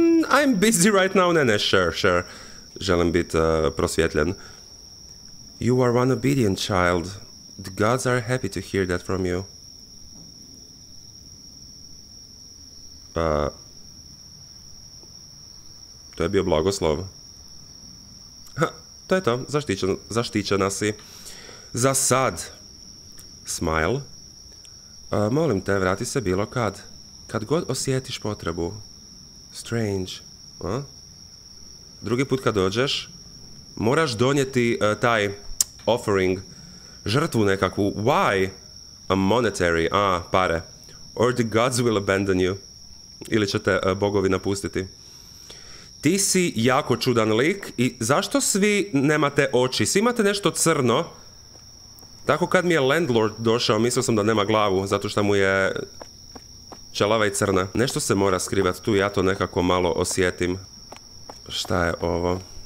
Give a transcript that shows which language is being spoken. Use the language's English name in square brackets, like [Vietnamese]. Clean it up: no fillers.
[English] I'm busy right now, ne, sure. [Croatian] Želim biti prosvjetljen. [English] You are one obedient child. The gods are happy to hear that from you. [Croatian] To je bio blagoslov. Ha, to je to, zaštićena si. Za sad. Smile. Molim te, vrati se bilo kad. Kad god osjetiš potrebu. Strange. A? Drugi put kad dođeš, moraš donijeti taj offering. Žrtvu nekakvu. [English] Why? A monetary. [Croatian] A, pare. [English] Or the gods will abandon you. [Croatian] Ili će te bogovi napustiti. Ti si jako čudan lik i zašto svi nemate oči? Svi imate nešto crno. Tako kad mi je landlord došao, mislio sam da nema glavu, zato što mu je čelava i crna. Nešto se mora skrivat tu, ja to nekako malo osjetim. Šta je ovo?